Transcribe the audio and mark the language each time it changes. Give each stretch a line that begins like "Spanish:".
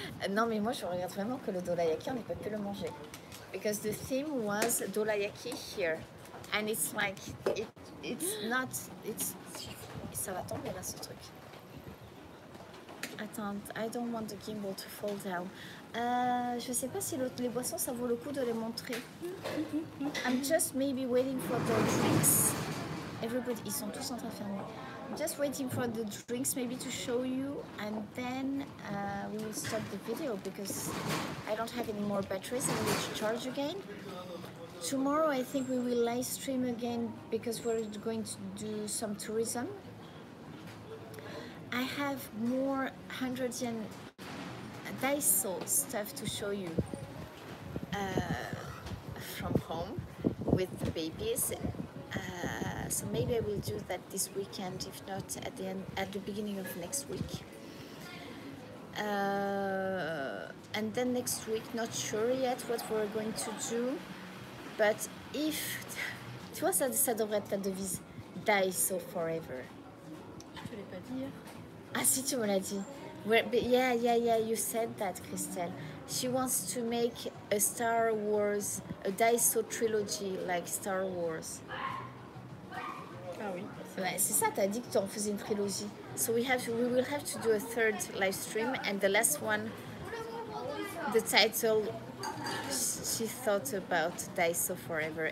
French: Non, mais moi, je regrette vraiment que le dorayaki, on n'ait pas pu le manger.
English: Because the theme was dorayaki here. And it's like, it's not,
French: ça va tomber là, ce truc. Attends,
English: I don't want the gimbal to fall down.
French: Je sais pas si les boissons ça vaut le coup de les montrer.
English: I'm just maybe waiting for the drinks. Everybody,
French: ils sont tous en train de fermer.
English: just waiting for the drinks maybe to show you, and then we will stop the video because I don't have any more batteries and I need to charge again. Tomorrow I think we will live stream again because we're going to do some tourism. I have more hydrogen Daiso stuff to show you from home with the babies. So maybe I will do that this weekend, if not at the end, at the beginning of next week. And then next week, not sure yet what we're going to do. But if...
French: Tu vois, ça devrait être la devise Daiso forever. Ah si, tu me l'as dit.
English: Yeah, you said that,
French: Christelle.
English: She wants to make a Star Wars, a Daiso trilogy like Star Wars.
French: Ah oui. C'est ça, t'as dit que t'en faisais une trilogie.
English: So we will have to do a third live stream, and the last one, the title, she thought about Daiso forever.